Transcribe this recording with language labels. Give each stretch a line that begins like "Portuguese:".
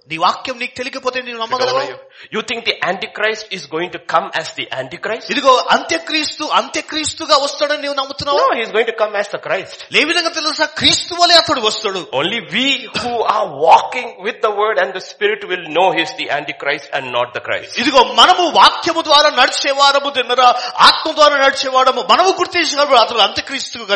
Telugu: నీ వాక్యం నీకు తెలియకపోతే నీవు నమ్మగలవా?
English: You think the Antichrist is going to come as the Antichrist?
Telugu: ఇదిగో అంత్యక్రీస్తుగా వస్తాడని నీవు నమ్ముతున్నావా?
English: No, he is going to come as the Christ.
Telugu: ఏ విధంగా తెలుసా? క్రీస్తు వలె అతడు వస్తాడు.
English: Only we who are walking with the word and the spirit will know he is the Antichrist and not the Christ.
Telugu: ఇదిగో మనము వాక్యము ద్వారా నడిచేవారము దినరా ఆత్మ ద్వారా నడిచేవాడము మనము గుర్తించినప్పుడు అతడు అంత్యక్రీస్తు.